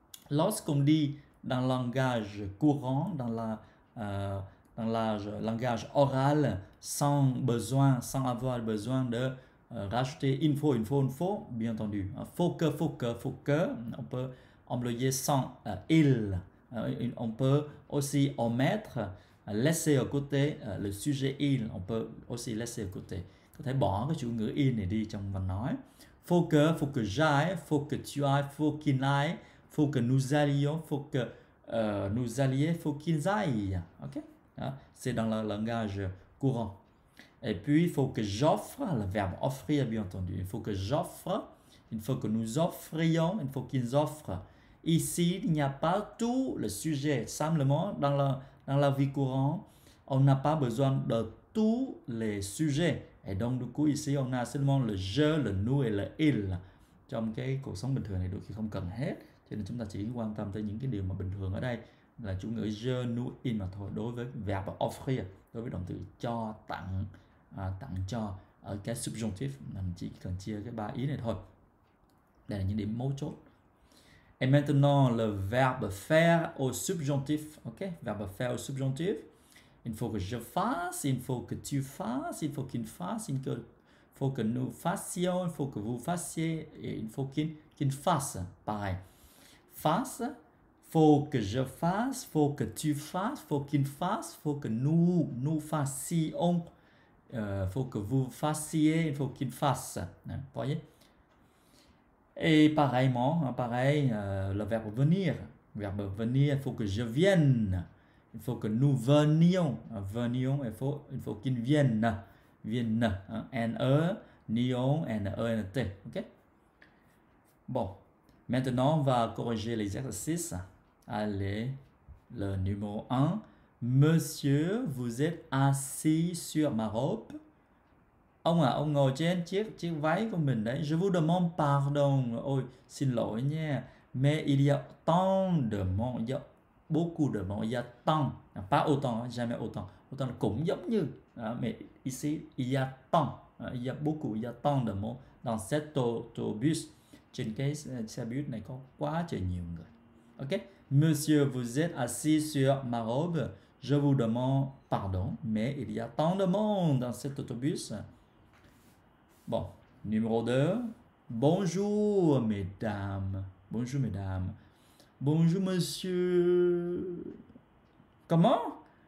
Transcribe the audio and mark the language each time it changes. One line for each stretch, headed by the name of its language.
French: Lorsqu'on dit dans le langage courant, dans le langage oral, sans avoir besoin de rajouter une fois, bien entendu. Faut que, on peut employer sans il. On peut aussi omettre, laisser à côté le sujet il. On peut aussi laisser à côté.
Vietnamese: Có thể bỏ cái chủ ngữ il này đi trong văn nói.
French: Faut que j'aille, faut que tu ailles, faut qu'il aille, faut que nous allions, faut que nous alliés, faut qu'ils aillent. Ok? C'est dans le langage courant. Et puis, il faut que j'offre, le verbe offrir, bien entendu. Il faut que j'offre, il faut que nous offrions, il faut qu'ils offrent. Ici, il n'y a pas tout le sujet. Simplement, dans la vie courante, on n'a pas besoin de tous les sujets. Et donc, du coup, ici, on a seulement le je, le nous et le il.
Vietnamese: Trong cái cuộc sống bình thường này, đôi khi không cần hết. Cho nên chúng ta chỉ quan tâm tới những cái điều mà bình thường ở đây là chủ ngữ je, nous, il mà thôi. Đối với verb offrir, đối với động từ cho, tặng, tặng cho ở cái subjonctive mình chỉ cần chia cái ba ý này thôi. Đây là những điểm mấu chốt.
French: Et maintenant, le verbe faire au subjonctif. Ok, verbe faire au subjonctif. Il faut que je fasse, il faut que tu fasses, il faut qu'il fasse, il faut que nous fassions, il faut que vous fassiez, et il faut qu'il fasse. Pareil. Fasse, faut que je fasse, faut que tu fasses, faut qu'il fasse, faut que nous fassions. Faut que vous fassiez, il faut qu'il fasse. Hein, vous voyez? Et pareillement, hein, pareil, le verbe venir. Le verbe venir, il faut que je vienne. Il faut que nous venions. Hein, venions, il faut qu'il vienne. Vienne. Hein, N-E, N-I-O-N, N-E-N-T. Okay? Bon. Maintenant, on va corriger l'exercice. Allez, le numéro 1. Monsieur, vous êtes assis sur ma robe.
Vietnamese: Ông à, ông ngồi trên chiếc váy của mình đấy.
French: Je vous demande pardon.
Vietnamese: Ôi, xin lỗi nha.
French: Mais il y a tant de monde. Il y a beaucoup de monde. Il y a tant. Pas autant, jamais autant.
Vietnamese: Autant là cũng giống như.
French: Mais ici, il y a tant. Il y a beaucoup, il y a tant de monde. Dans cet autobus,
Vietnamese: trên cái xe buýt này có quá trời nhiều người. Ok?
French: Monsieur, vous êtes assis sur ma robe. Je vous demande pardon, mais il y a tant de monde dans cet autobus. Bon, numéro 2. Bonjour, mesdames. Bonjour, mesdames. Bonjour, monsieur. Comment?